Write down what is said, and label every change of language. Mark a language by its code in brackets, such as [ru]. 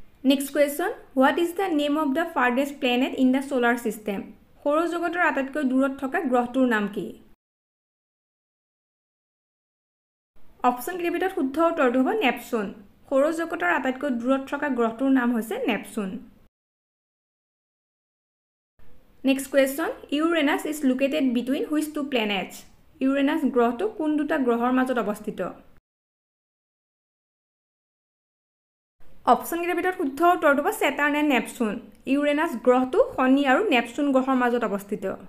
[en] Next question, what is the name of the farthest planet in the solar system? [as] সৌৰজগতৰ আটাইতকৈ দূৰত থকা গ্ৰহটোৰ নাম কি? অপচন কেইটাৰ ভিতৰত শুদ্ধ উত্তৰটো হ'ব নেপচুন। সৌৰজগতৰ আটাইতকৈ দূৰত থকা গ্ৰহটোৰ নাম হৈছে Neptune. [en] Next question, Uranus is located between which two planets? [as] Uranus গ্ৰহটো কোন দুটা গ্ৰহৰ মাজত অৱস্থিত? অপচনকেইটাৰ ভিতৰত শুদ্ধ উত্তৰটো হ'ব ছেটাৰ্ণ এণ্ড নেপচুন। ইউৰেনাছ গ্ৰহটো শনি আৰু নেপচুন গ্ৰহৰ মাজত অৱস্থিত।